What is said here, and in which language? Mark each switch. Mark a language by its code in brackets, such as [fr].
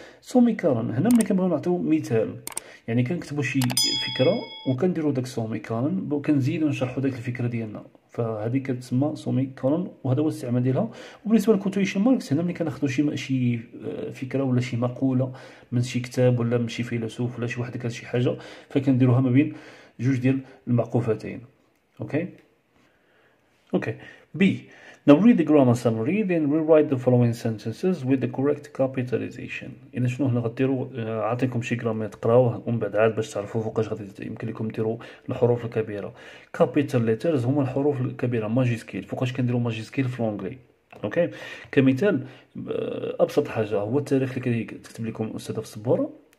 [ar] سومي كارن، هنا ملي كنبغيو نعطيو مثال، يعني كنكتبوا شي فكره وكنديروا داك سومي كارن وكنزيدوا نشرحوا داك الفكره ديالنا، فهذه كتسمى سومي كارن، وهذا هو الاستعمال ديالها. وبالنسبه للكوتويشن ماركس، هنا ملي كناخذوا شي فكره ولا شي مقوله من شي كتاب ولا من شي فيلسوف ولا شي واحد قال شي حاجه، فكنديروها ما بين جوج ديال المعقوفتين. اوكي اوكي. [en] B, now read the grammar summary then rewrite the following sentences with the correct capitalization. [ar] اذا شنو هنا غديروا؟ عطيكم شي جرامر تقراوه ومن بعد عاد باش تعرفوا فوقاش غادي يمكن لكم ديروا الحروف الكبيره. capital letters هما الحروف الكبيره، ماجيسكيل. فوقاش كنديروا ماجيسكيل في لونغلي؟ اوكي، كمثال ابسط حاجه هو التاريخ اللي كتكتب لكم الاستاذه في السبوره.